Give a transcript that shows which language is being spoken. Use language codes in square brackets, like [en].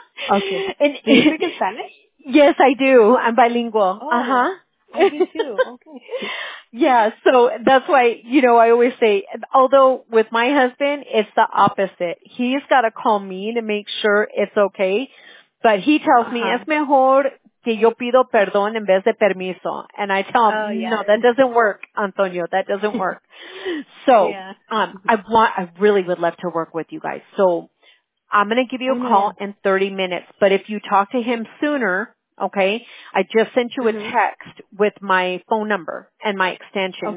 [en] Okay. And, do you speak in Spanish? Yes, I do. I'm bilingual. Oh, I do too. Okay. Yeah, so that's why, you know, I always say, although with my husband, it's the opposite. He's got to call me to make sure it's okay. But he tells me, [es] es mejor que yo pido perdón en vez de permiso. [en] And I tell him, no, that doesn't work, Antonio. That doesn't work. So I really would love to work with you guys. So I'm going to give you a call in 30 minutes. But if you talk to him sooner, okay, I just sent you a text with my phone number and my extension. Okay.